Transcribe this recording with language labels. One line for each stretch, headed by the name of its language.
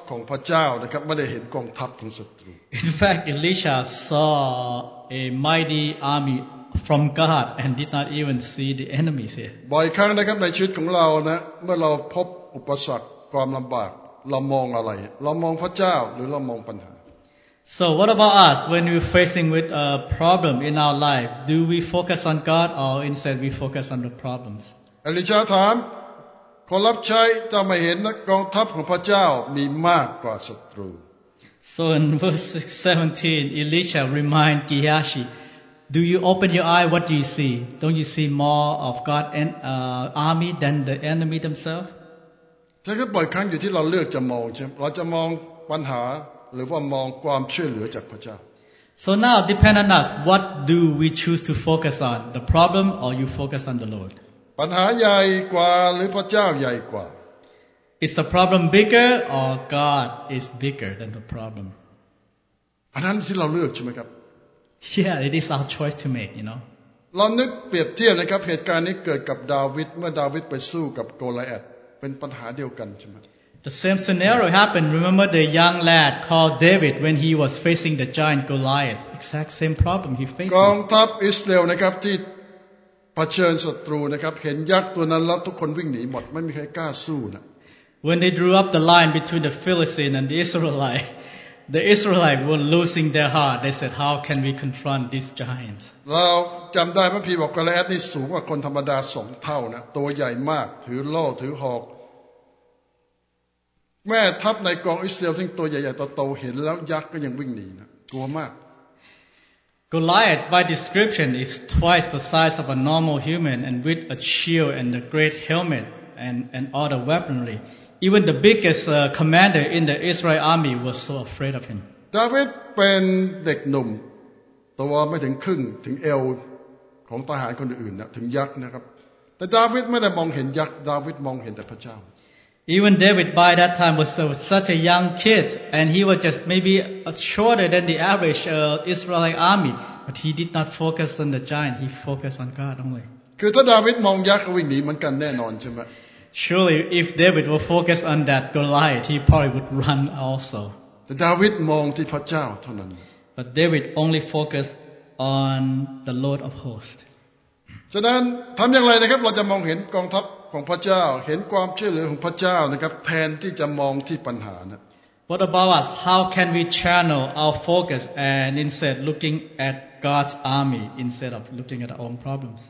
English: In fact, Elisha saw a mighty army from God and did not even see the enemies here.
Thai: บ่อยครั้งนะครับในชีวิตของเรานะเมื่อเราพบอุปสรรคความลำบากเรามองอะไรเรามองพระเจ้าหรือเรามองปัญหา
English: So what about us when we're facing with a problem in our life do we focus on God or instead we focus on the problems
Thai: เอลิชาถามคนรับใช้จะไม่เห็นนะกองทัพของพระเจ้ามีมากกว่าศัตรู
English: So in verse 17 Elisha remind Gehazi do you open your eye what do you see don't you see more of God and army than the enemy themselves
Thai: ถ้าเกิดบ่อยครั้งอยู่ที่เราเลือกจะมองใช่ไหมเราจะมองปัญหาหรือว่ามองความช่วยเหลือจากพระเจ้า
English: So now depend on us what do we choose to focus on the problem or you focus on the Lord
Thai: ปัญหาใหญ่กว่าหรือพระเจ้าใหญ่กว่า
English: Is the problem bigger or God is bigger than the problem
Thai: อันนั้นที่เราเลือกใช่ไหมครับ
English: Yeah it is our choice to make you know
Thai: ลองนึกเปรียบเทียบนะครับเหตุการณ์นี้เกิดกับดาวิดเมื่อดาวิดไปสู้กับโกลิอัทเป็นปัญหาเดียวกันใช่ไหม
English: The same scenario happened. Remember the young lad called David when he was facing the giant Goliath. Exact same problem he faced.
Thai: กองทัพอิสราเอลนะครับที่เผชิญศัตรูนะครับเห็นยักษ์ตัวนั้นแล้วทุกคนวิ่งหนีหมดไม่มีใครกล้าสู้นะ
English: When they drew up the line between the Philistine and the Israelite were losing their heart. They said, "How can we confront these giants?"
Thai: เราจำได้พระพีบอกกอลิอัทนี่สูงกว่าคนธรรมดาสองเท่านะตัวใหญ่มากถือโล่ถือหอกแม่ทัพในกองอิสราเอลทั้งตัวใหญ่ๆโตๆเห็นแล้วยักษ์ก็ยังวิ่งหนีนะกลัวมาก
English: Goliath by description is twice the size of a normal human and with a shield and a great helmet and all the weaponry even the biggest commander in the Israel army was so afraid of him
Thai: ดาวิดเป็นเด็กหนุ่มตัวไม่ถึงครึ่งถึงเอวของทหารคนอื่นนะถึงยักษ์นะครับแต่ดาวิดไม่ได้มองเห็นยักษ์ดาวิดมองเห็นแต่พระเจ้า
English: Even David by that time was such a young kid and he was just maybe shorter than the average Israelite army but he did not focus on the giant he focused on God only
Thai: คือถ้าดาวิดมองยักษ์ก็วิ่งหนีเหมือนกันแน่นอนใช่ไหม
English: Surely if David were focused on that Goliath he probably would run also
Thai: แต่ดาวิดมองที่พระเจ้าเท่านั้น
English: But David only focused on the Lord of Hosts.
Thai: ฉะนั้นทำอย่างไรนะครับเราจะมองเห็นกองทัพของพระเจ้าเห็นความช่วยเหลือของพระเจ้านะครับแทนที่จะมองที่ปัญหานะ
English: What about us? How can we channel our focus and instead looking at God's army instead of looking at our own problems?